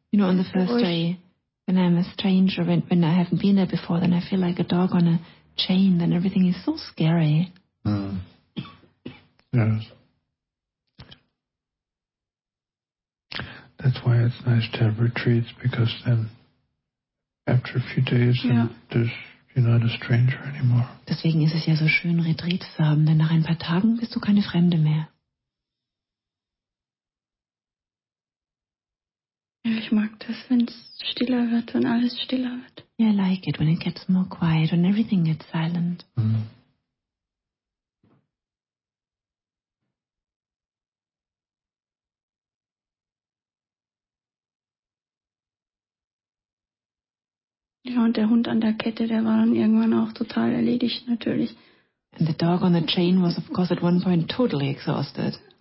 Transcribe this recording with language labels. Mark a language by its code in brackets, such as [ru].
[en] You know, on the first day, when I'm a stranger, when I haven't been there before, then I feel like a dog on a chain, then everything is so scary. Yes. That's why it's nice to have retreats, because then after a few days, you're not a stranger anymore. [de] Deswegen ist es ja so schön, Retreats zu haben, denn nach ein paar Tagen bist du keine Fremde mehr. Ich mag das, wenn es stiller wird, wenn alles stiller wird. [en] Yeah, I like it when it gets more quiet, when everything gets silent. Mm. [de] Ja, und der Hund an der Kette, der war dann irgendwann auch total erledigt, natürlich. [en] And the dog on the chain was, of course, at one point totally exhausted.